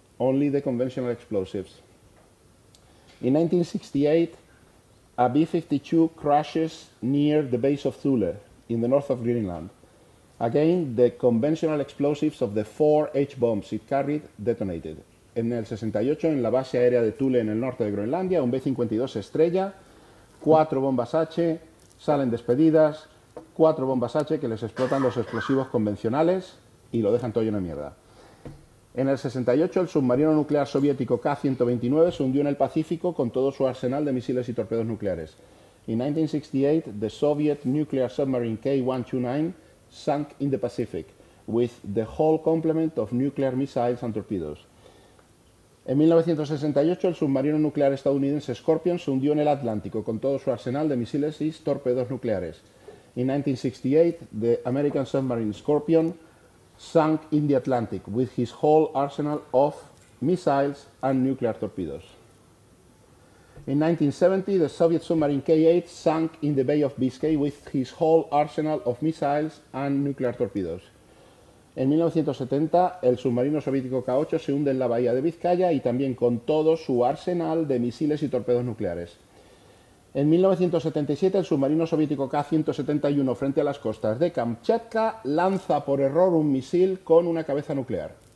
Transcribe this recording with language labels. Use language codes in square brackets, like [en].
[en] Only the conventional explosives. In 1968, a B-52 crashes near the base of Thule, in the north of Greenland. Again, the conventional explosives of the four H-bombs it carried detonated. [es] En el 68, en la base aérea de Thule, en el norte de Groenlandia, un B-52 se estrella, cuatro bombas H salen despedidas, cuatro bombas H que les explotan los explosivos convencionales y lo dejan todo lleno de mierda. En el 68, el submarino nuclear soviético K-129 se hundió en el Pacífico con todo su arsenal de misiles y torpedos nucleares. [en] In 1968, the Soviet nuclear submarine K-129 sank in the Pacific with the whole complement of nuclear missiles and torpedoes. [es] En 1968, el submarino nuclear estadounidense Scorpion se hundió en el Atlántico con todo su arsenal de misiles y torpedos nucleares. [en] In 1968, the American submarine Scorpion sunk in the Atlantic with his whole arsenal of missiles and nuclear torpedoes. In 1970, the Soviet submarine K-8 sunk in the Bay of Biscay with his whole arsenal of missiles and nuclear torpedoes. [es] En 1970, el submarino soviético K-8 se hunde en la bahía de Vizcaya y también con todo su arsenal de misiles y torpedos nucleares. En 1977, el submarino soviético K-171, frente a las costas de Kamchatka, lanza por error un misil con una cabeza nuclear.